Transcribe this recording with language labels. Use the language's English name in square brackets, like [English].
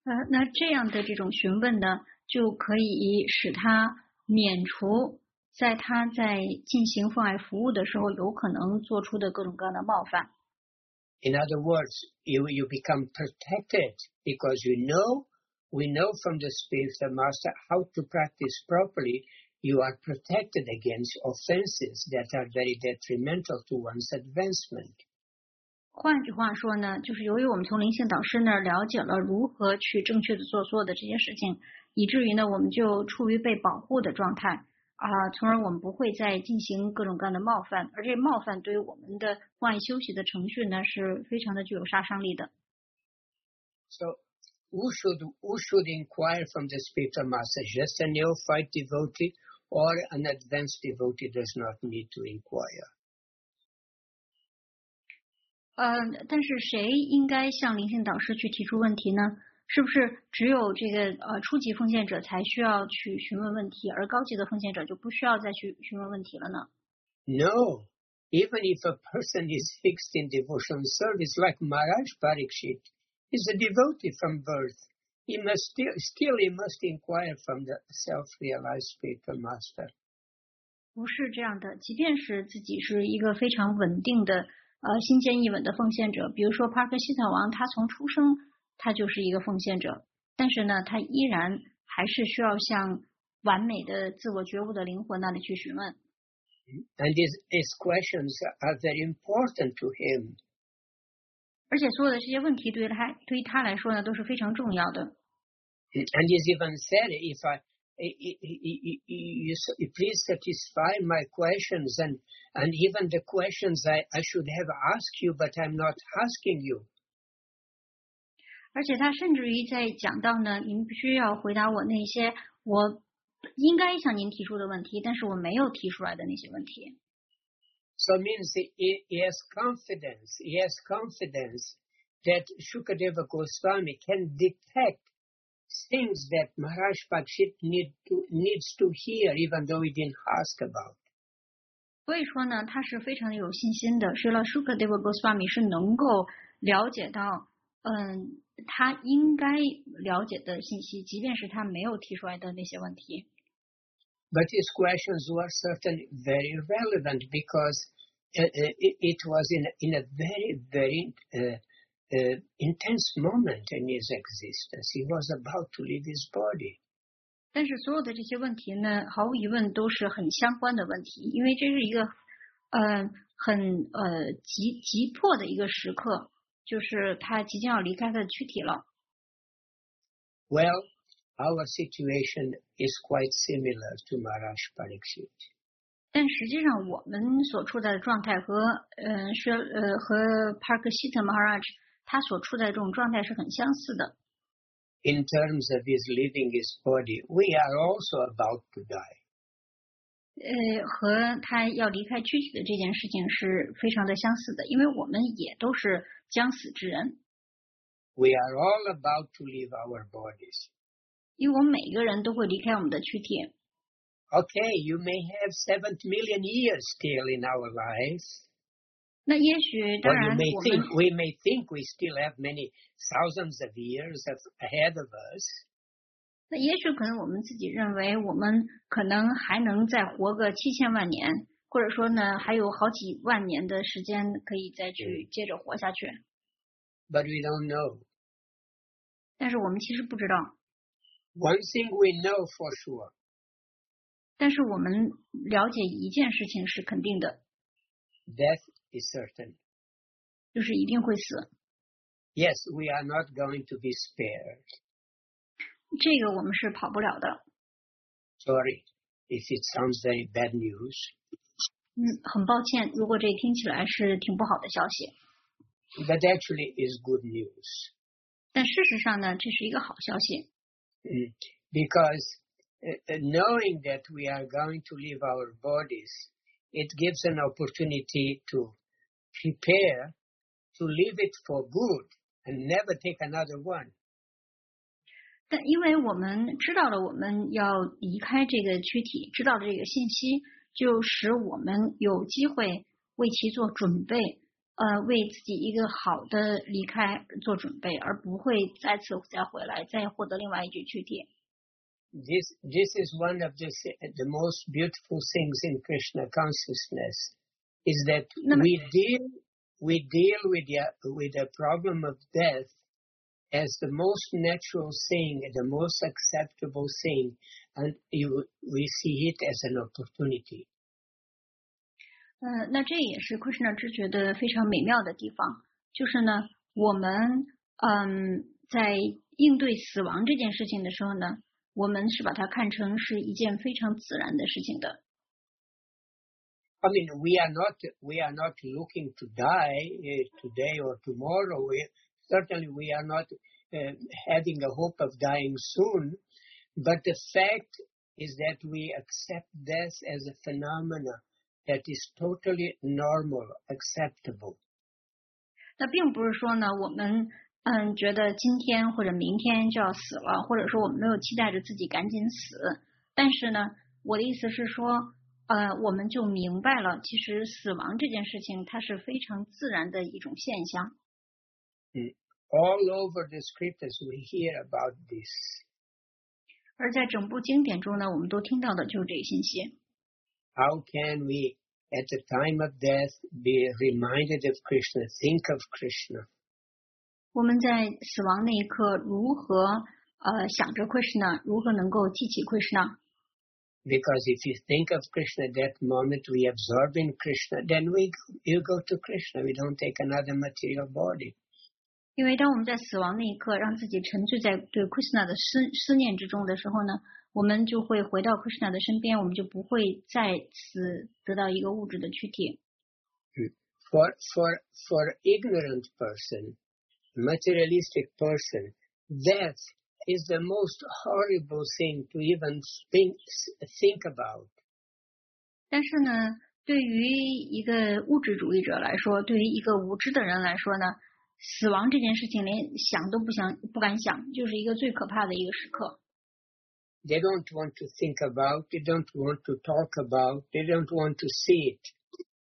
[Chinese] 那这样的这种询问呢，就可以使他免除。在他在进行奉爱服务的时候，有可能做出的各种各样的冒犯。 [English] In other words, you become protected because we know from the spiritual master how to practice properly. You are protected against offenses that are very detrimental to one's advancement. [Chinese] 换句话说呢，就是由于我们从灵性导师那儿了解了如何去正确的做所有的这些事情，以至于呢，我们就处于被保护的状态。从而我们不会再进行各种各样的冒犯，而这冒犯对于我们的换休息的程序呢，是非常的具有杀伤力的。 [English] So, who should inquire from the spiritual master? Just a neophyte devotee or an advanced devotee does not need to inquire. [Chinese] 但是谁应该向灵性导师去提出问题呢？是不是只有这个初级奉献者才需要去询问问题，而高级的奉献者就不需要再去询问问题了呢 [English] ？No, even if a person is fixed in devotional service like Maharaj Parikshit, is a devotee from birth, he must still inquire from the self-realized spiritual master. [Chinese] 不是这样的，即便是自己是一个非常稳定的新建译文的奉献者，比如说帕克西坦王，他从出生他就是一个奉献者，但是呢他依然还是需要向完美的自我觉悟的灵魂那里去询问。 [English] And these questions are very important to him. [Chinese] 而且所有的这些问题对于他来说呢都是非常重要的。 [English] And he's even said, if I, you please satisfy my questions and even the questions I should have asked you, but I'm not asking you. [Chinese] 而且他甚至于在讲到呢，您必须要回答我那些我应该向您提出的问题，但是我没有提出来的那些问题。 [English] So it means he has confidence that Shukadeva Goswami can detect things that Maharaj Parikshit needs to hear, even though he didn't ask about. [Chinese] 所以说呢，他是非常有信心的，是了 Shukadeva Goswami 是能够了解到，他应该了解的信息，即便是他没有提出来的那些问题。 [English] But his questions were certainly very relevant because it was in a very, very intense moment in his existence. He was about to leave his body. [Chinese] 但是所有的这些问题呢，毫无疑问都是很相关的问题，因为这是一个很急迫的一个时刻，就是他即将要离开他的躯体了。 [English] Well, our situation is quite similar to Maharaj Parikshit. [Chinese] 但实际上我们所处在的状态和Parikshit Maharaj 他所处在这种状态是很相似的。 [English] In terms of his leaving his body, we are also about to die. [Chinese] 和他要离开躯体的这件事情是非常的相似的，因为我们也都是将死之人。 [English] We are all about to leave our bodies. [Chinese] 因为我们每一个人都会离开我们的躯体。 [English] Okay, you may have 7 million years still in our lives. [Chinese] 那也许当然我们 [English] we may think we still have many thousands of years ahead of us. [Chinese] 那也许可能我们自己认为我们可能还能再活个7000万年。或者说呢，还有好几万年的时间可以再去接着活下去。 [English] But we don't know. [Chinese] 但是我们其实不知道。 [English] One thing we know for sure. [Chinese] 但是我们了解一件事情是肯定的。 [English] Death is certain. [Chinese] 就是一定会死。 [English] Yes, we are not going to be spared. [Chinese] 这个我们是跑不了的。 [English] Sorry, if it sounds very bad news. [Chinese] 很抱歉，如果这听起来是挺不好的消息。 [English] But actually is good news. [Chinese] 但事实上呢，这是一个好消息。 [English] Because knowing that we are going to leave our bodies, it gives an opportunity to prepare to leave it for good and never take another one. [Chinese] 但因为我们知道了我们要离开这个躯体，知道了这个信息，就使我们有机会为其做准备，为自己一个好的离开做准备，而不会再次再回来，再获得另外一具躯体。 [English] This is one of the most beautiful things in Krishna consciousness, is that we deal with the problem of death as the most natural thing, the most acceptable thing, and we see it as an opportunity. [Chinese] 那这也是 Krishna 知觉的非常美妙的地方，就是呢，我们在应对死亡这件事情的时候呢，我们是把它看成是一件非常自然的事情的。 [English] I mean, we are not looking to die today or tomorrow. Certainly, we are not having a hope of dying soon. But the fact is that we accept death as a phenomena that is totally normal, acceptable. [Chinese] 那并不是说呢，我们觉得今天或者明天就要死了，或者说我们没有期待着自己赶紧死。但是呢，我的意思是说，我们就明白了，其实死亡这件事情它是非常自然的一种现象。 [English] All over the scriptures we hear about this. [Chinese] 而在整部经典中呢，我们都听到的就是这个信息。 [English] How can we at the time of death, be reminded of Krishna, think of Krishna. [Chinese] 我们在死亡那一刻如何想着 Krishna, 如何能够记起 Krishna? [English] Because if you think of Krishna at that moment, we absorb in Krishna, then you go to Krishna, we don't take another material body. [Chinese] 因为当我们在死亡那一刻让自己沉醉在对 Krishna 的思念之中的时候呢，我们就会回到 Krishna 的身边，我们就不会再次得到一个物质的躯体。 [English] For ignorant person, materialistic person, death is the most horrible thing to even think about. [Chinese] 但是呢，对于一个物质主义者来说，对于一个无知的人来说呢，死亡这件事情连想都不敢想，就是一个最可怕的一个时刻。 [English] They don't want to think about, they don't want to talk about, they don't want to see it.